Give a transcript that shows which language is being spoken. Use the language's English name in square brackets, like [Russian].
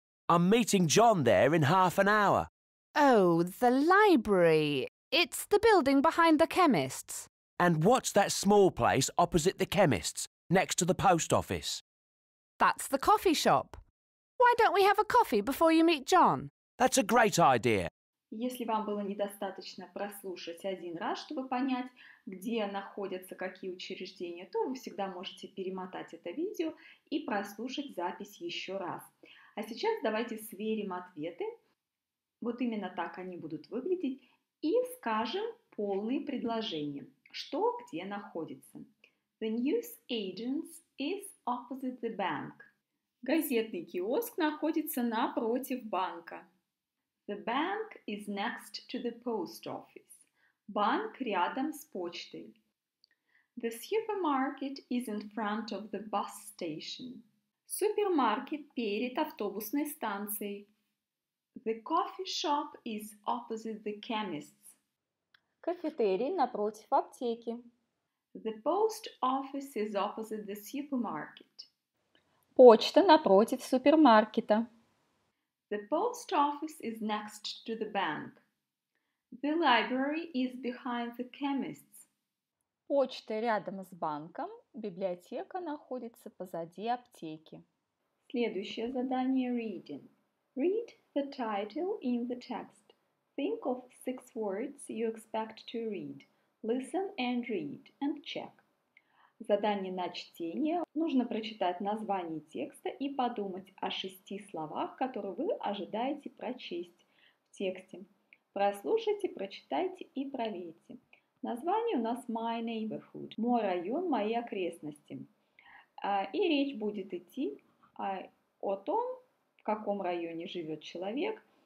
[English] I'm meeting John there in half an hour. Oh, the library. It's the building behind the chemists. And what's that small place opposite the chemists, next to the post office? That's the coffee shop. Why don't we have a coffee before you meet John? That's a great idea. [Russian] Если вам было недостаточно прослушать один раз, чтобы понять, где находятся какие учреждения, то вы всегда можете перемотать это видео и прослушать запись еще раз. А сейчас давайте сверим ответы. Вот именно так они будут выглядеть. И скажем полные предложения. Что где находится? [English] The newsagents is opposite the bank. [Russian] Газетный киоск находится напротив банка. [English] The bank is next to the post office. [Russian] Банк рядом с почтой. [English] The supermarket is in front of the bus station. [Russian] Супермаркет перед автобусной станцией. [English] The coffee shop is opposite the chemist's. [Russian] Кафетерий напротив аптеки. [English] The post office is opposite the supermarket. [Russian] Почта напротив супермаркета. [English] The post office is next to the bank. The library is behind the chemists. [Russian] Почта рядом с банком, библиотека находится позади аптеки. Следующее задание [English] reading. Read the title in the text. Think of six words you expect to read. Listen and read and check. [Russian] Задание на чтение. Нужно прочитать название текста и подумать о шести словах, которые вы ожидаете прочесть в тексте. Прослушайте, прочитайте и проверьте. Название у нас [English] My Neighborhood. [Russian] Мой район, мои окрестности. И речь будет идти о том, в каком районе живет человек.